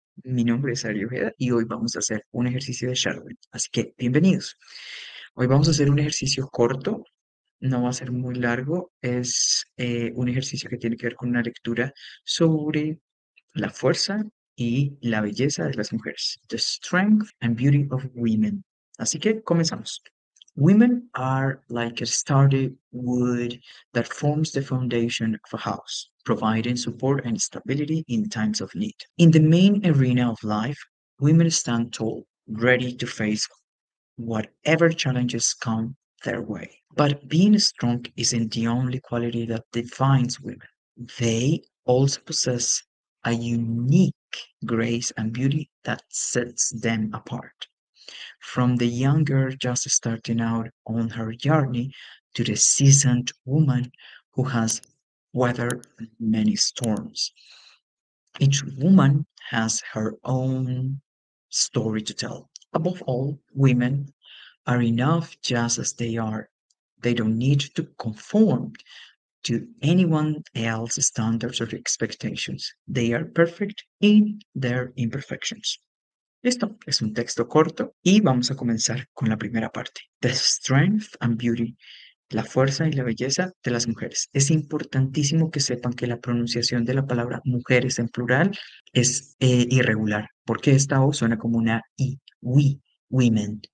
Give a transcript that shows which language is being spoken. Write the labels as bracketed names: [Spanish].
[Spanish] Mi nombre es Ariel Ojeda y hoy vamos a hacer un ejercicio de shadowing. Así que bienvenidos. Hoy vamos a hacer un ejercicio corto, no va a ser muy largo. Es un ejercicio que tiene que ver con una lectura sobre la fuerza y la belleza de las mujeres. [English] The strength and beauty of women. Así que comenzamos. Women are like a sturdy wood that forms the foundation of a house, providing support and stability in times of need. In the main arena of life, women stand tall, ready to face whatever challenges come their way. But being strong isn't the only quality that defines women. They also possess a unique grace and beauty that sets them apart. From the young girl just starting out on her journey to the seasoned woman who has weathered many storms. Each woman has her own story to tell. Above all, women are enough just as they are. They don't need to conform to anyone else's standards or expectations. They are perfect in their imperfections. [Spanish] Listo, es un texto corto y vamos a comenzar con la primera parte. The strength and beauty, la fuerza y la belleza de las mujeres. Es importantísimo que sepan que la pronunciación de la palabra mujeres en plural es irregular, porque esta O suena como una I, we, women.